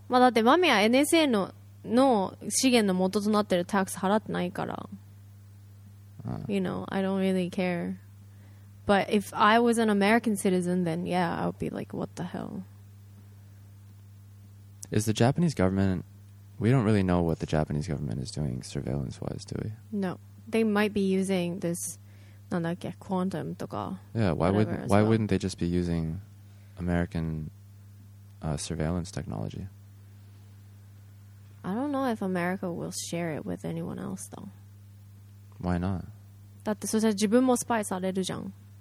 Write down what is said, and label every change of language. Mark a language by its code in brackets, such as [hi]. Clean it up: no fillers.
[ja] まあだってマミは NSA の、の資源の元となってるタックス払ってないから。 [en] You know, I don't really care. But if I was an American citizen, then yeah, I would be like, what the hell? Is the Japanese government... We don't really know what the Japanese government is doing surveillance-wise, do we? No. They might be using this... [ja] なんだっけ、 [en] quantum とか。 Yeah, wouldn't they just be using American... surveillance technology. I don't know if America will share it with anyone else though. Why not? [ja] だってそしたら自分もスパイされるじゃん。